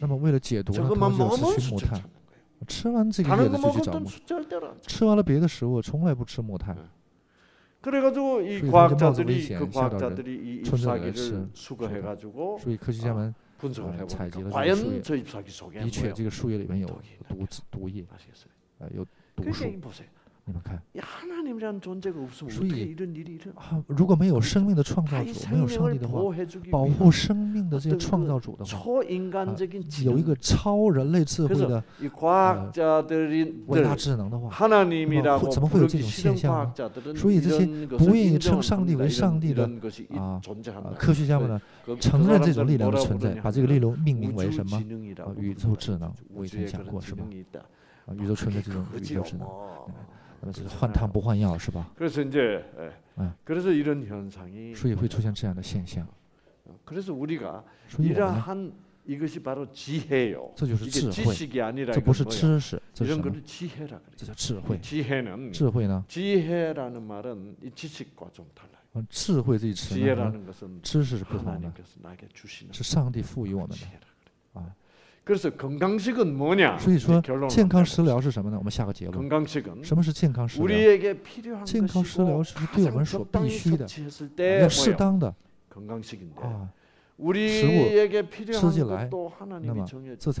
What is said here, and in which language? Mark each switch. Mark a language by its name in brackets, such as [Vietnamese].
[Chinese] 那么为了解毒呢他们就要去木炭吃完这个叶子就去找木炭，吃完了别的食物，从来不吃木炭。 [Korean] 그래가지고이과학자들이그과학자들이이잎사귀를수거해가지고 [Chinese] 所以科学家们 [Korean] 분석을해 [Chinese] 采集了 [Korean] 과연저잎사귀속에 [Chinese] 的确这个树叶里面有毒子毒液，啊有毒素。你们看， [Korean] 하나님이란존재가없으면어떻게이런일이일어 [Chinese] 나如果没有生命的创造主，没有上帝的话，保护生命的这些创造主的话，有一个超人类智慧的 [Korean] 이과학자들이 [Chinese] 伟大智能的话， [Korean] 하나님이라고 [Chinese] 怎么会有这种现象呢？所以这些不愿意称上帝为上帝的科学家们呢，承认这种力量的存在，把这个力量命名为什么？宇宙智能，我以前讲过是吗？宇宙存在这种宇宙智能。换汤不换药是吧？ [Korean] 그래서이제그래서이런현상이 [Chinese] 所以会出现这样的现象。 [Korean] 그래서우리가이러한이것이바로지혜요 [Chinese] 这就是智慧。 [Korean] 이게지식이아니라 [Chinese] 这不是知识，这是什么？ [Korean] 지혜라 [Chinese] 这叫智慧。 [Korean] 지혜는 [Chinese] 智慧呢？ [Korean] 지혜라는말은이지식과좀달라요 [Chinese] 智慧这一词呢？ [Korean] 지혜라는것은 [Chinese] 知识是不同的。 [Korean] 하나님께서나에게주시는 [Chinese] 是上帝赋予我们的。 [Korean] 그래서건강식은뭐냐 [Chinese] 所以说健康食疗是什么呢我们下个结论 [Korean] 건강식은 [Chinese] 什么是健康食疗 [Korean] 우리에게필요한 [Chinese] 健康食疗是对我们所必须的 [Korean] 적당히섭취했을때 [Chinese] 要适当的 [Korean] 건강식인데우리에게필요한것도하나님이정해주시고